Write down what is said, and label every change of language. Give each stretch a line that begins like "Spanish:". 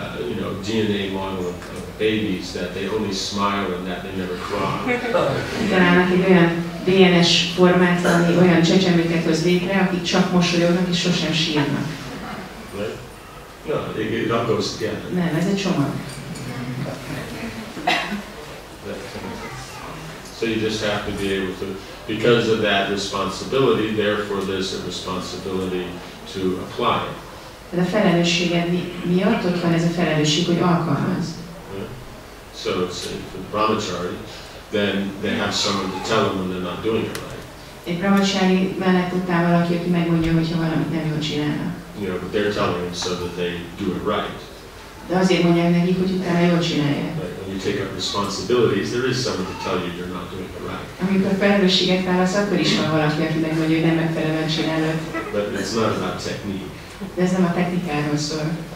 English: You know, DNA model of babies that they only smile and that they never cry.
Hungarian: Találnak egy olyan DNS formát, ami olyan csecsemőket hoz létre, akik csak mosolyognak és sosem sírnak.
English: Right? No, it all goes together.
Hungarian: Nem, ez egy csomag.
English: So you just have to be able to, because of that responsibility, therefore there's a responsibility to apply it.
Hungarian: Tehát a felelősséged miatt ott van ez a felelősség, hogy alkalmazd.
English: So it's for the brahmachari, then they have someone to tell them when they're not doing it right.
Hungarian: Egy brahmachari mellett ott áll valaki, aki megmondja, hogyha valamit nem jól csinálnak.
English: You know, but they're telling them so that they do it right.
Hungarian: De azért mondják nekik, hogy utána jól csinálják.
English: When you take up responsibilities, there is someone to tell you you're not doing it right.
Hungarian: Amikor felelősséget válasz, akkor is van valaki, aki megmondja, hogy nem megfelelően csinálod.
English: But it's not about technique.
Hungarian: De ez nem a technikáról szól.